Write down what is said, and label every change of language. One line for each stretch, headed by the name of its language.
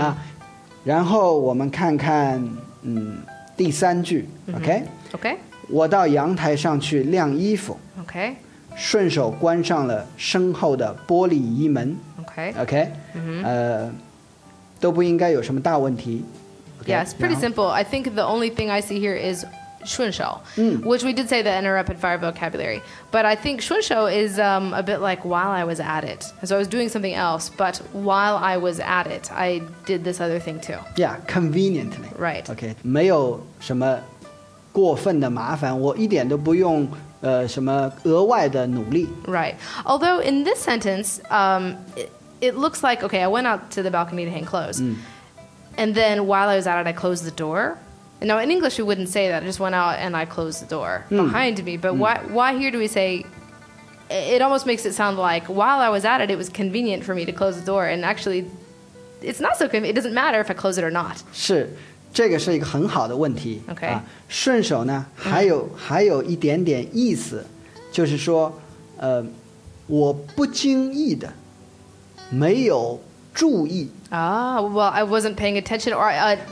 Chinese: 啊。然后我们看看，第三句。 Mm-hmm.
English: OK。 OK。
Chinese: 我到阳台上去晾衣服。
English: OK。
Chinese: 顺手关上了身后的玻璃衣门。
English: OK，OK，、 okay. mm-hmm.
Chinese: 都不应该有什么大问题。
English: Okay, yes, pretty simple. I think the only thing I see here is 顺手、which we did say that in our rapid fire vocabulary. But I think 顺手 is a bit like while I was at it. So I was doing something else, but while I was at it, I did this other thing too. Yeah, conveniently. Right.
Chinese: Okay, 没有什么过分的麻烦，我一点都不用。什么额外的努力
English: Right. Although in this sentence, it looks like, okay, I went out to the balcony to hang clothes. And then while I was at it, I closed the door. Now, in English, we wouldn't say that. I just went out and I closed the door behind me. But why here do we say... It almost makes it sound like, while I was at it, it was convenient for me to close the door. And actually, it's not so convenient. It doesn't matter if I close it or not.
Chinese: 是，这个是一个很好的问题。
English: Okay.
Chinese: 顺手呢，还有一点点意思，就是说，我不经意的，没有注意。
English: Well, I wasn't paying attention or...